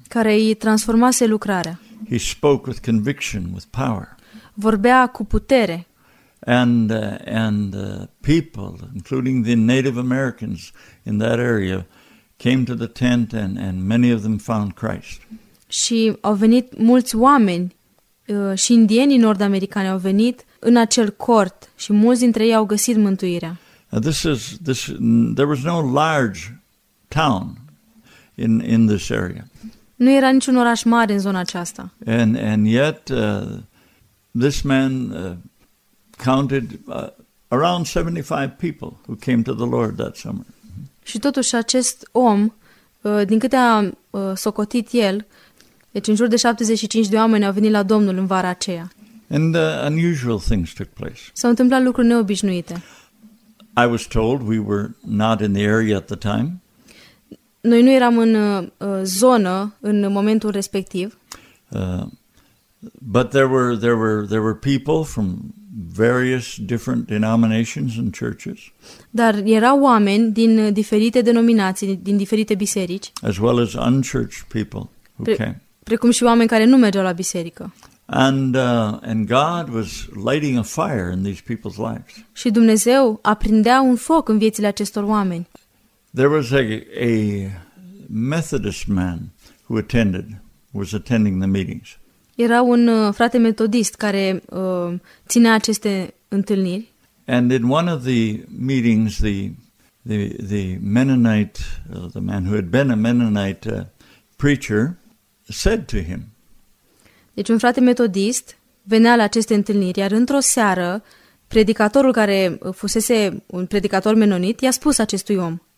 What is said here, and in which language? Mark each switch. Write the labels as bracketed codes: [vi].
[ro] Care îi transformase lucrarea. [en] He spoke with conviction, with power. [ro] Vorbea cu putere. [en] And people, including the Native Americans in that area, came to the tent and many of them found Christ. [ro] Și au venit mulți oameni și indienii nord-americani au venit în acel cort și mulți dintre ei au găsit mântuirea. [en] There was no large town in this area. [ro] Nu era niciun oraș mare în zona aceasta. [en] And yet this man counted around 75 people who came to the Lord that summer. [ro] Și totuși acest om, din câte a socotit el, deci în jur de 75 de oameni au venit la Domnul în vara aceea. [en] And unusual things took place. [ro] S-au întâmplat lucruri neobișnuite. [en] I was told we were not in the area at the time. [ro] Noi nu eram în zonă în momentul respectiv. [en] But there were people from various different denominations and churches. [ro] Dar erau oameni din diferite denominații, din diferite biserici. [en] As well as unchurched people who came. [ro] Precum și oameni care nu mergeau la biserică. [en] And God was lighting a fire in these people's lives. [ro] Și Dumnezeu aprindea un foc în viețile acestor oameni. [en] There was a Methodist man who was attending the meetings. [ro] Era un frate metodist care ținea aceste întâlniri. [en] And in one of the meetings the Mennonite the man who had been a Mennonite preacher said to him. [ro] Deci un frate metodist venea la aceste întâlniri, iar într-o seară predicatorul care fusese un predicator menonit i-a spus acestui om.